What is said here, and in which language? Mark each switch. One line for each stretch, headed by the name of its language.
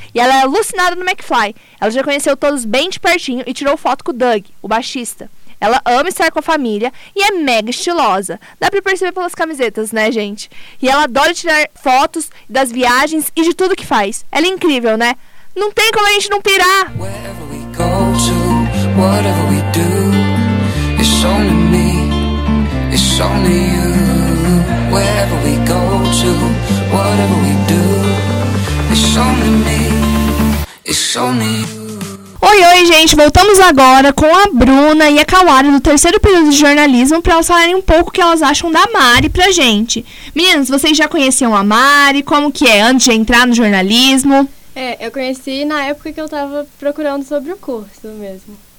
Portuguese: E ela é alucinada no McFly. Ela já conheceu todos bem de pertinho e tirou foto com o Doug, o baixista. Ela ama estar com a família e é mega estilosa. Dá pra perceber pelas camisetas, né, gente? E ela adora tirar fotos das viagens e de tudo que faz. Ela é incrível, né? Não tem como a gente não pirar!
English: Wherever we go to, whatever we do, it's only me, it's only you. Wherever we go to, whatever we do, it's only me, it's only you.
Portuguese: Oi, oi, gente! Voltamos agora com a Bruna e a Kawara do terceiro período de jornalismo para elas falarem um pouco o que elas acham da Mari pra gente. Meninas, vocês já conheciam a Mari? Como que é antes de entrar no jornalismo? É, eu conheci na época que eu tava procurando sobre o curso mesmo.